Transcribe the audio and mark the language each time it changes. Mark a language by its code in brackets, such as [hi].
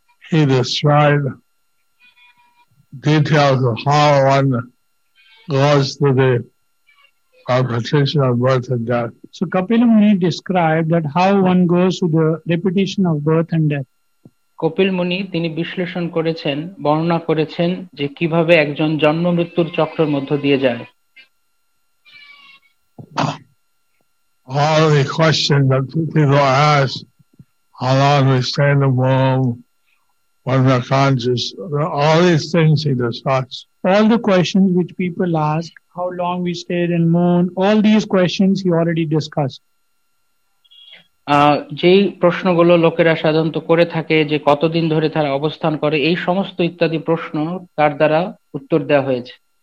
[en] He described details of how one goes through the repetition of birth and death. So Kapil Muni described that how one goes through the repetition of birth and death. [bn] Kapil মুনি তিনি বিশ্লেষণ করেছেন বর্ণনা করেছেন যে কিভাবে একজন জন্ম মৃত্যুর চক্রের মধ্য দিয়ে যায়. [en] All the questions that people ask, how long we stay in the womb, when we're conscious, all these things he discusses. All the questions which people ask, how long we stayed in the moon, all these questions he already discussed. [bn] যেই প্রশ্নগুলো লোকেরা সাধারণত করে থাকে যে কতদিন ধরে তারা অবস্থান করে এই সমস্ত ইত্যাদি প্রশ্ন তার দ্বারা উত্তর দেওয়া হয়েছে.